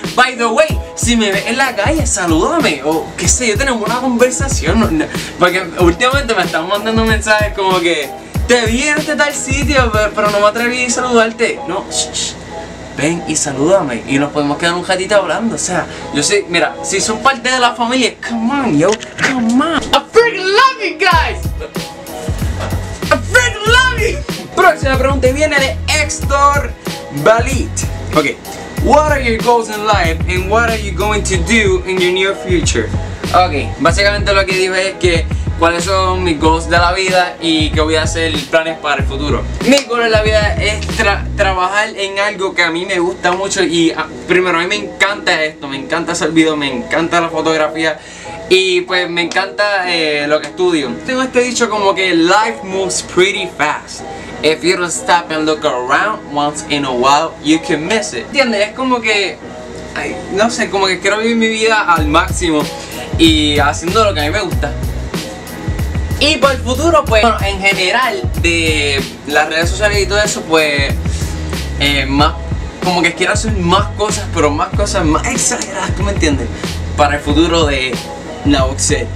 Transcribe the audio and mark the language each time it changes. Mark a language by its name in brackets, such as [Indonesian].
[English] By the way, [Spanish] si me ves en la calle, salúdame o qué sé yo, tenemos una conversación. Porque últimamente me están mandando mensajes como que te vi en este tal sitio, pero no me atreví a saludarte. No, ven y salúdame y nos podemos quedar un ratito hablando. O sea, yo sé, mira, si son parte de la familia, [English] come on, yo, come on. I freaking love you guys. I freaking love you. [Spanish] Próxima pregunta viene de Héctor Balit. [English] Ok, what are your goals in life and what are you going to do in your near future? [Spanish] Ok, básicamente lo que dijo es que cuáles son mis goals de la vida y qué voy a hacer, planes para el futuro. Mi goal en la vida es trabajar en algo que a mí me gusta mucho y primero a mí me encanta esto, me encanta hacer videos, me encanta la fotografía y pues me encanta lo que estudio. Tengo este dicho como que [English] life moves pretty fast. If you don't stop and look around once in a while, you can miss it. [Spanish] ¿Entiendes? Es como que, no sé, como que quiero vivir mi vida al máximo y haciendo lo que a mí me gusta. Y para el futuro, pues, bueno, en general, de las redes sociales y todo eso, pues, más, como que quiero hacer más cosas, pero más cosas, más exageradas, ¿tú me entiendes? Para el futuro de Nauxet.